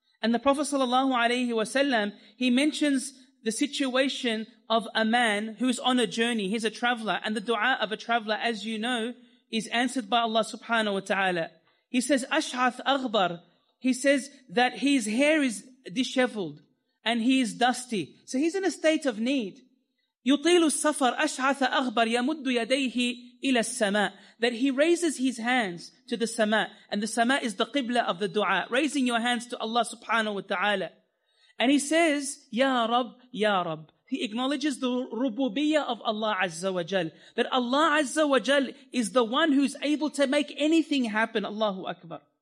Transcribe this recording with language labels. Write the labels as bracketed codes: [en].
[en] And the Prophet sallallahu alaihi wasallam, he mentions the situation of a man who's on a journey. He's a traveler, and the dua of a traveler, as you know, is answered by Allah subhanahu wa ta'ala. He says, [ar] "Ash'ath aghbar." [en] He says that his hair is disheveled and he is dusty. So he's in a state of need. [ar] يُطِيلُ السَّفَرْ أَشْعَثَ أَغْبَرْ يَمُدُّ يَدَيْهِ إِلَى السَّمَاءِ. [en] That he raises his hands to the sama, and the sama is the qibla of the dua, raising your hands to Allah subhanahu wa ta'ala. And he says, Ya Rab, Ya Rab. He acknowledges the rububiyyah of Allah Azza wa Jal, that Allah Azza wa Jal is the one who's able to make anything happen. Allahu Akbar.